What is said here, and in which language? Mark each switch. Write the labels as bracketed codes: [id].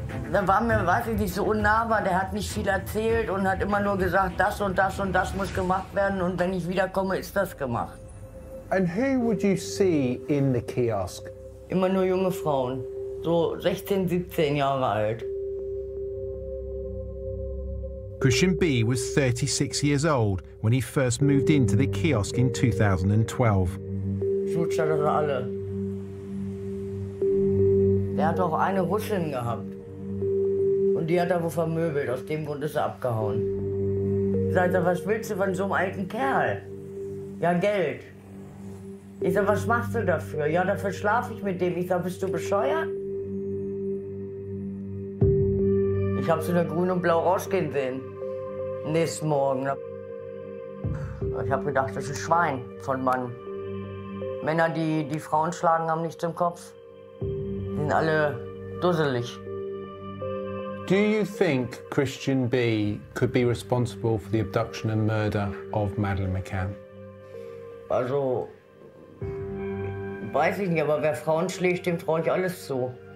[de] Der war mir wirklich nicht so unnahbar, der hat nicht viel erzählt und hat immer nur gesagt, das und das und das muss gemacht werden und wenn ich wiederkomme, ist das gemacht. [en] And who would you see in the kiosk? [de] Immer nur junge Frauen, so 16, 17 Jahre alt. [en] Christian B was 36 years old when he first moved into the kiosk in 2012. [de] Schutz alle. Der hat auch eine Russin gehabt. Und die hat er wohl vermöbelt, aus dem Grund ist er abgehauen. Sag er, was willst du von so einem alten Kerl? Ja, Geld. Ich sag, was machst du dafür? Ja, dafür schlafe ich mit dem. Ich sag, bist du bescheuert? Ich hab's in der grün und blau rausgehen sehen. Nächsten Morgen. Ich hab gedacht, das ist ein Schwein von Mann. Männer, die die Frauen schlagen, haben nichts im Kopf. Die sind alle dusselig. [en] Do you think Christian B could be responsible for the abduction and murder of Madeleine McCann? [de] Also, weiß ich nicht, aber wer Frauen schlägt, dem traue ich alles zu.